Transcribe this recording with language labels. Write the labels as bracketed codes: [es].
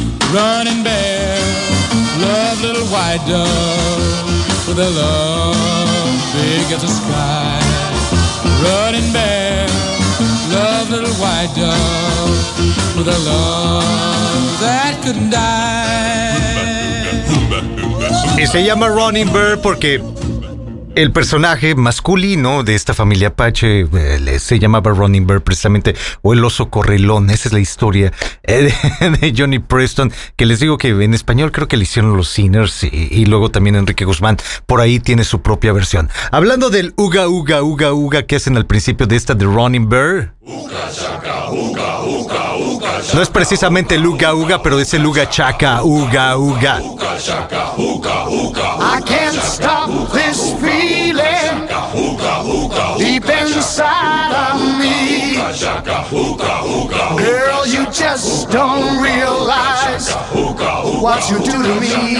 [en] Running bear, love little white dove, with a love big as the sky. Running bear, love little white dove, with a love that couldn't die. [es] Y se llama Running Bear porque el personaje masculino de esta familia Apache se llamaba Running Bear precisamente, o el oso correlón. Esa es la historia de Johnny Preston, que les digo que en español creo que le hicieron Los Sinners y luego también Enrique Guzmán por ahí tiene su propia versión. Hablando del uga uga uga uga que hacen al principio de esta de Running Bear, no es precisamente el uga uga, pero es el uga chaca uga uga. [en] I can't stop this feeling deep inside of me. Girl, you just just don't realize what you do to me.